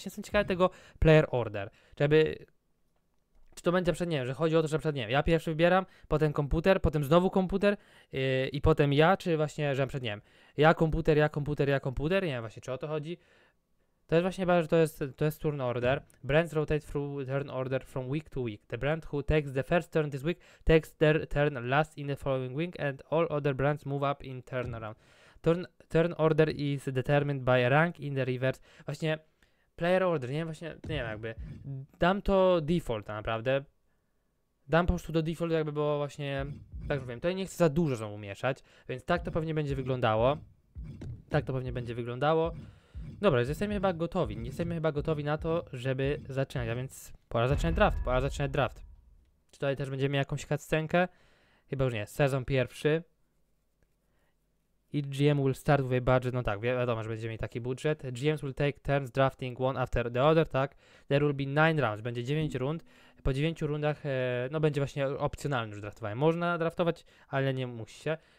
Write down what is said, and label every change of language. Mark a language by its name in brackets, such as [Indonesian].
[Polish] Właśnie jestem ciekawy tego player order, czy to będzie przed, nie wiem, że chodzi o to, że przed, nie wiem, ja pierwszy wybieram, potem komputer, potem znowu komputer i potem ja, czy właśnie, że przed, nie wiem, ja komputer, ja komputer, ja komputer, nie wiem właśnie, czy o to chodzi. To jest właśnie chyba, że to jest turn order. [English] Brands rotate through turn order from week to week. The brand who takes the first turn this week takes their turn last in the following week and all other brands move up in turn around. Turn order is determined by rank in the reverse. [Polish] Właśnie player order, nie wiem, właśnie, nie wiem, jakby. Dam to default, tak naprawdę. Dam po prostu do default, jakby było właśnie. Tak mówię, tutaj nie chcę za dużo znowu mieszać, więc tak to pewnie będzie wyglądało. Tak to pewnie będzie wyglądało. Dobra, jesteśmy chyba gotowi na to, żeby zaczynać, a więc pora zaczynać draft, pora zaczynać draft. Czy tutaj też będziemy mieli jakąś cutscenkę? Chyba już nie, sezon pierwszy. [English] I GM will start with a budget, [Polish] no tak, wiadomo, że będziemy mieli taki budżet. [English] GMs will take turns drafting one after the other, [Polish] tak? [English] There will be 9 rounds, [Polish] będzie 9 rund. Po 9 rundach, no będzie właśnie opcjonalne już draftowanie. Można draftować, ale nie musi się.